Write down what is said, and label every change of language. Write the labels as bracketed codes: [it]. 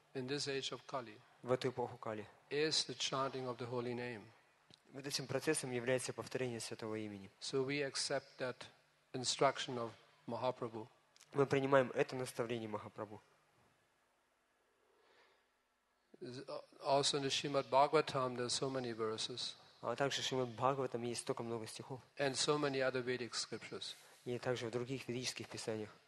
[en] In this age of Kali. [ru] В эту эпоху Кали. [en] Is the chanting of the holy name. [ru] Вот этим процессом является повторение святого имени. [en] So we accept that instruction of Mahaprabhu. [ru] Мы принимаем это наставление Махапрабху. [en] Also in the Shrimad Bhagavatam there are so many verses. [ru] А также в Шримад Бхагаватам есть столько много стихов. [en] And so many other Vedic scriptures. [ru] И также в других ведических писаниях.